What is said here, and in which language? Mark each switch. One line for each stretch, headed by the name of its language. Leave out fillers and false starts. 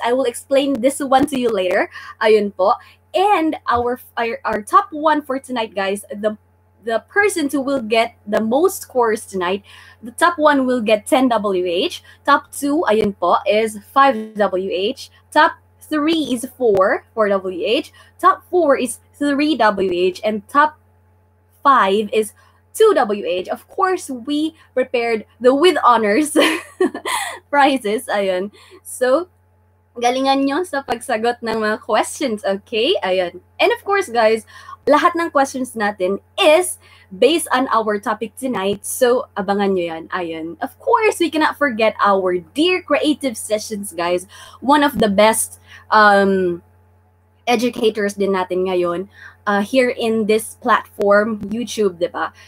English: I will explain this one to you later. Ayun po. And our top one for tonight, guys, the person who will get the most scores tonight, the top one will get 10 WH, top two, ayun po, is 5 WH, top three is 4 WH, top four is 3 WH, and top five is 2 WH. Of course, we prepared the with honors prizes, ayun.
Filipino: So galingan nyo sa pagsagot ng mga questions, okay? Ayun.
English: And of course, guys,
Filipino: lahat ng
English: questions natin is based on our topic tonight. So,
Filipino: abangan nyo yan.
English: Ayun. Of course, we cannot forget our dear creative sessions, guys. One of the best educators
Filipino: din natin ngayon
English: here in this platform, YouTube, diba?